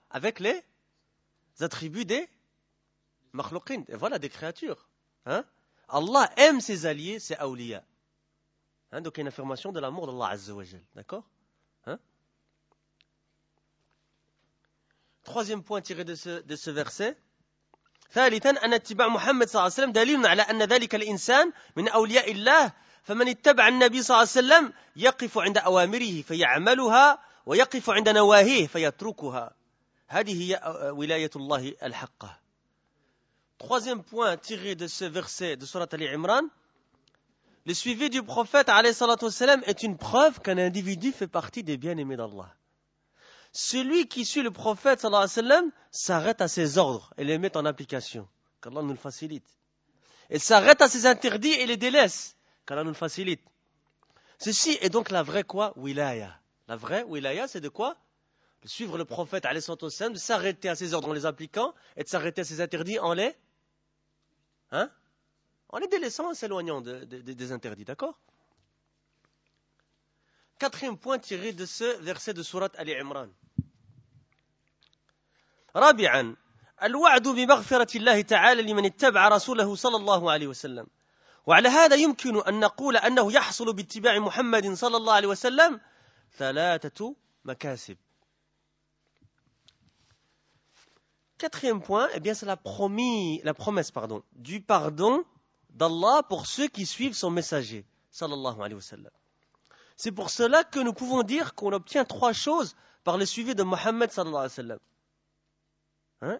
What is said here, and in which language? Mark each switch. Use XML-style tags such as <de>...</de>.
<fr>Avec les attributs des makhlouqin, et voilà, des créatures. Hein? Allah aime ses alliés, ses awliya. Hein, donc, il y a une affirmation de l'amour d'Allah Azza wa Jal. D'accord, hein? Troisième point tiré de ce verset.</fr> <ar>ثالثا أن اتباع محمد صلى الله عليه وسلم دليل على أن ذلك الإنسان من أولياء الله فمن اتبع النبي صلى الله عليه وسلم يقف عند أوامره فيعملها ويقف عند نواهيه فيتركها هذه هي ولاية الله الحقة.</ar> <fr>Troisième point tiré de ce verset de sourate Ali Imran. Le suivi du prophète</fr> <ar>alayhi salatu wassalam</ar> <fr>est une preuve qu'un individu fait partie des bien-aimés d'Allah. Celui qui suit le prophète</fr> <ar>sallallahu alayhi wa sallam</ar> <fr>s'arrête à ses ordres et les met en application. Qu'Allah nous le facilite. Et s'arrête à ses interdits et les délaisse. Qu'Allah nous le facilite. Ceci est donc la vraie quoi? Wilaya. La vraie wilaya, c'est de quoi? De suivre le prophète</fr> <ar>sallallahu alayhi wa sallam,</ar> <fr>de s'arrêter à ses ordres en les appliquant et de s'arrêter à ses interdits en les... Hein? En les délaissant, en s'éloignant des interdits, d'accord? Quatrième point tiré de ce verset de sourate Ali Imran.</fr> <ar>رابعا الوعد بمغفرة الله تعالى لمن اتبع رسوله صلى الله عليه وسلم. وعلى هذا يمكن أن نقول أنه يحصل باتباع محمد صلى الله عليه وسلم ثلاثة مكاسب.</ar> <fr>Quatrième point, eh bien, c'est la promesse, du pardon d'Allah pour ceux qui suivent son messager,</fr> <ar>صلى الله عليه وسلم.</ar> <fr>C'est pour cela que nous pouvons dire qu'on obtient trois choses par le suivi de Mohammed</fr> <ar>sallallahu alayhi wa sallam.</ar> <fr>Hein?</fr>